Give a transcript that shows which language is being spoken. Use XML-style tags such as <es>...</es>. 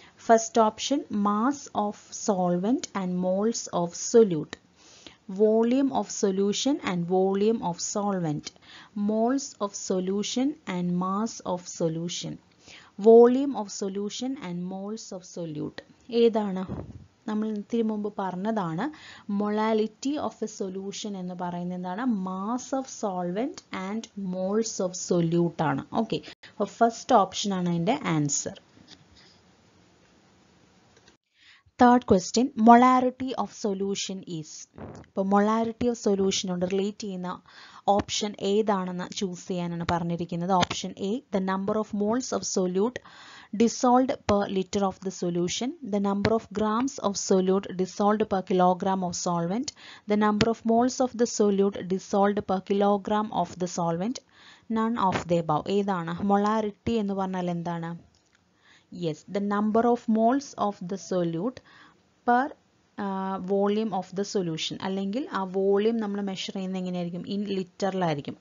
<en>First option, mass of solvent and moles of solute, volume of solution and volume of solvent, moles of solution and mass of solution, volume of solution and moles of solute.</en> <ml>ഏതാണ്? നമ്മൾ ഇത്തിരി മുമ്പ് പറഞ്ഞതാണ്</ml> <en>molality of a solution</en> <ml>എന്ന് പറയുന്നത് എന്താണ്?</ml> <en>mass of solvent and moles of solute</en> <ml>ആണ്. Okay, അപ്പോൾ ഫസ്റ്റ് ഓപ്ഷൻ ആണ് അതിൻ്റെ answer.</ml> <en>Third question, molarity of solution is.</en> <ml>അപ്പോൾ മൊളാരിറ്റി ഓഫ് സൊല്യൂഷനോട് റിലേറ്റ് ചെയ്യുന്ന ഓപ്ഷൻ ഏതാണെന്ന് ചൂസ് ചെയ്യാനാണ് പറഞ്ഞിരിക്കുന്നത്.</ml> <en>Option A, the number of moles of solute dissolved per litre of the solution, the number of grams of solute dissolved per kilogram of solvent, the number of moles of the solute dissolved per kilogram of the solvent, none of the above.</en> <ml>ഏതാണ് molarity എന്ന് പറഞ്ഞാൽ എന്താണ്?</ml> <en>Yes, the number of moles of the solute per volume of the solution.</en> <ml>അല്ലെങ്കിൽ ആ volume നമ്മൾ measure ചെയ്യുന്നത് എങ്ങനെയായിരിക്കും? In ലിറ്ററിലായിരിക്കും.</ml>